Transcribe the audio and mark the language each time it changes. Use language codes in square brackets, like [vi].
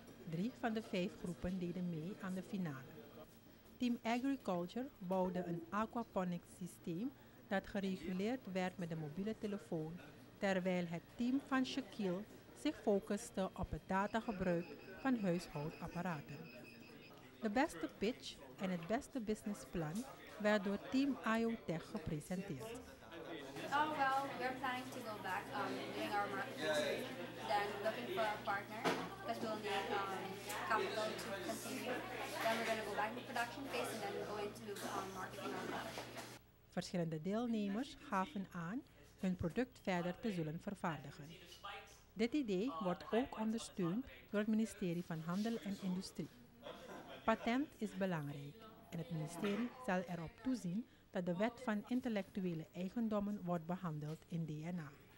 [nl] Drie van de vijf groepen deden mee aan de finale. Team Agriculture bouwde een aquaponics systeem dat gereguleerd werd met de mobiele telefoon, terwijl het team van Shaquille zich focuste op het datagebruik van huishoudapparaten. De beste pitch en het beste businessplan werd door Team IoTech gepresenteerd. [en] We're planning to go back doing our marketing research, then looking for a partner because we'll need capital to continue. Then we're going to go back to the production phase and then go into marketing our product. [nl] Verschillende deelnemers gaven aan hun product verder te zullen vervaardigen. Dit idee wordt ook ondersteund door het ministerie van Handel en Industrie. Patent is belangrijk en het ministerie zal erop toezien dat de wet van intellectuele eigendommen wordt behandeld in DNA.